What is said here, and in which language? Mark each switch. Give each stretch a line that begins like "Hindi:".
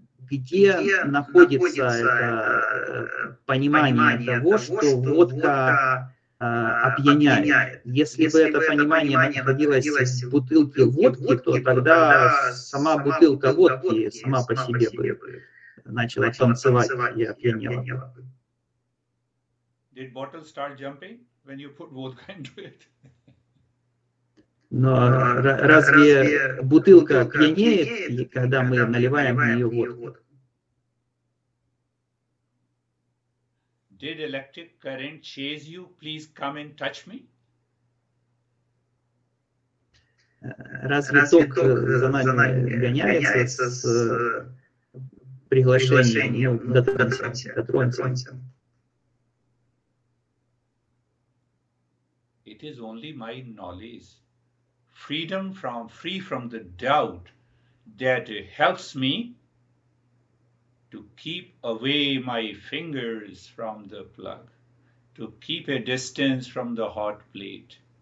Russian: Где находится это понимание того, что водка опьяняет? Если бы это понимание находилось в бутылке водки, то тогда сама бутылка водки сама по себе бы начала танцевать и опьянела.
English: Did bottle start jumping when you put vodka into it?
Russian: Но разве бутылка пьянеет, когда мы наливаем в нее водку?
English: Did electric current chase you? Please come and touch me.
Russian: Разве ток за нами гоняется с приглашением дотронься?
English: It is only my knowledge, freedom from free from the doubt, that helps me to keep away my fingers from the plug, to keep a distance from the hot plate.